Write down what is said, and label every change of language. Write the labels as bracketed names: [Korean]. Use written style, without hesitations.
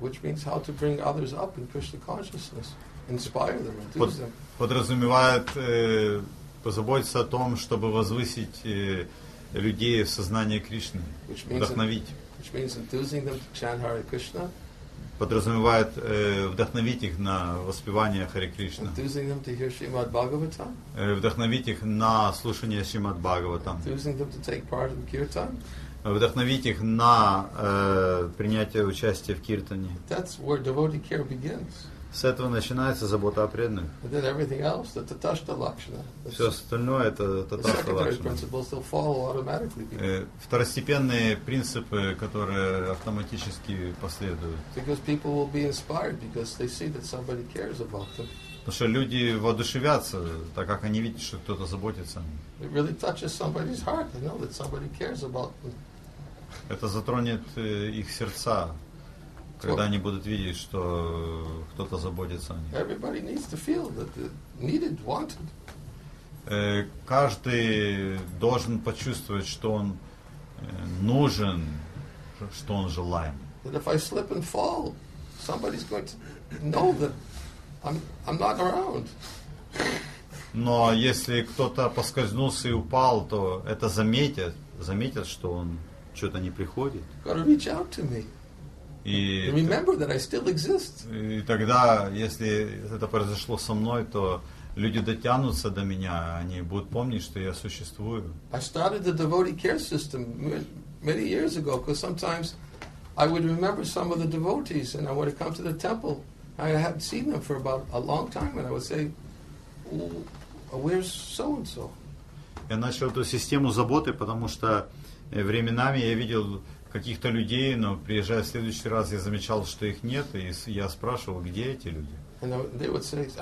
[English] Which means how to bring others up in Krishna consciousness, inspire them, enthuse them. [Russian] Подразумевает позаботиться о том, чтобы возвысить людей в сознании Кришны, вдохновить. [English] Which means enthusing them to chant Hare Krishna. [Russian] Подразумевает вдохновить их на воспевание Харе Кришна. [English] Enthusing them to hear Shrimad Bhagavatam. [Russian] Вдохновить их на слушание Шримад Бхагаватам. [English] Enthusing them to take part in kirtan. [Russian] вдохновить их на принятие участия в киртане. [English] That's where devotee care begins. [Russian] С этого начинается забота о преданных. [English] And then everything else, the tatashta lakshana. [Russian] Все остальное это tatashta lakshana. Второстепенные принципы, которые автоматически последуют. [English] Because people will be inspired because they see that somebody cares about them. [Russian] Потому что люди воодушевятся, так как они видят, что кто-то заботится о них. [English] It really touches somebody's heart. They know that somebody cares about them. [Russian] Это затронет их сердца. Когда они будут видеть, что кто-то заботится о них. [English] Everybody needs to feel that needed, wanted. [Russian] Каждый должен почувствовать, что он нужен, что он желаем. [English] That if I slip and fall, somebody's going to know that I'm not around. [Russian] Но если кто-то поскользнулся и упал, то это заметят, заметят, что он что-то не приходит. [English] Gotta reach out to me. Remember that I still exist. [Russian] И тогда, если это произошло со мной, то люди дотянутся до меня, они будут помнить, что я существую. [English] I started the devotee care system many years ago, because sometimes I would remember some of the devotees, and I would come to the temple. I hadn't seen them for about a long time, and I would say, "Where's so and so?" [Russian] Я начал эту систему заботы, потому что временами я видел каких-то людей, но приезжая в следующий раз, я замечал, что их нет, и я спрашивал, где эти люди.